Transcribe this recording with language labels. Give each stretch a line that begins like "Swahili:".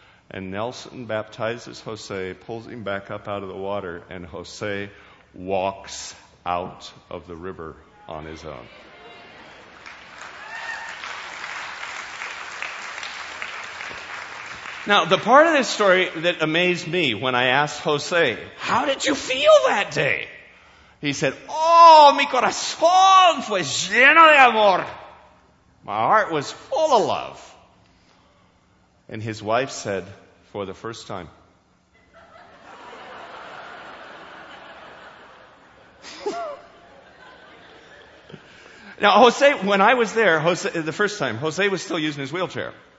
English: And Nelson baptizes Jose, pulls him back up out of the water, and Jose walks out of the river on his own. Now, the part of this story that amazed me when I asked Jose, how did you feel that day? He said, oh,
Spanish: mi corazón fue lleno de amor.
English: My heart was full of love. And his wife said, for the first time. Now, Jose, when I was there, Jose was still using his wheelchair.